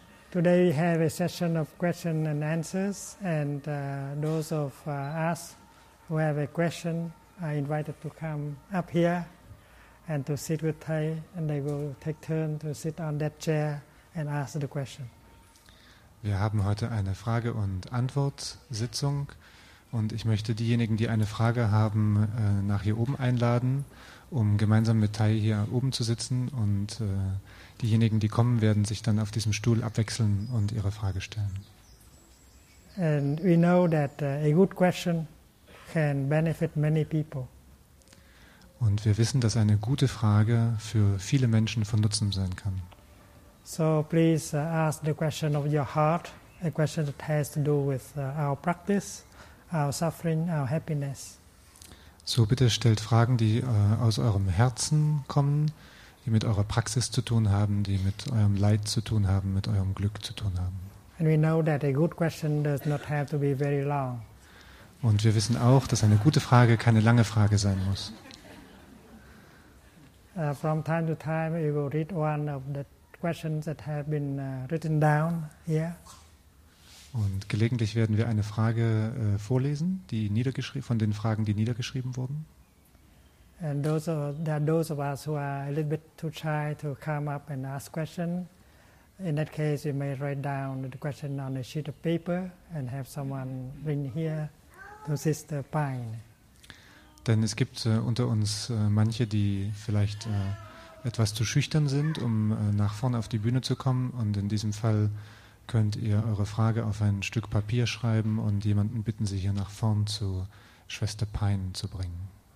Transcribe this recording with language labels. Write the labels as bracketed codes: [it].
[en] Today we have a session of questions and answers, and those of us who have a question are invited to come up here and to sit with Thay, and they will take turn to sit on that chair and ask the question. [de] Wir haben heute eine Frage- und Antwortsitzung, und ich möchte diejenigen, die eine Frage haben, nach hier oben einladen, um gemeinsam mit Thay hier oben zu sitzen, und diejenigen, die kommen, werden sich dann auf diesem Stuhl abwechseln und ihre Frage stellen. [en] And we know that a good question can benefit many people. [de] Und wir wissen, dass eine gute Frage für viele Menschen von Nutzen sein kann. [en] So please ask the question of your heart, a question that has to do with our practice, our suffering, our happiness. [de] So bitte stellt Fragen, die aus eurem Herzen kommen, die mit eurer Praxis zu tun haben, die mit eurem Leid zu tun haben, mit eurem Glück zu tun haben. [en] And we know that a good question does not have to be very long. [de] Und wir wissen auch, dass eine gute Frage keine lange Frage sein muss. [en] From time to time you will read one of the questions that have been written down here. [de] Und gelegentlich werden wir eine Frage vorlesen, die von den Fragen, die niedergeschrieben wurden. [en] And those of us who are a little bit too shy to come up and ask questions, in that case you may write down the question on a sheet of paper and have someone bring here to Sister Pine. [de] Denn es gibt unter uns manche, die vielleicht etwas zu schüchtern sind, um nach vorne auf die Bühne zu kommen, und in diesem Fall könnt ihr eure Frage auf ein Stück Papier schreiben und jemanden bitten, sie hier nach vorn zu Schwester Pine zu bringen.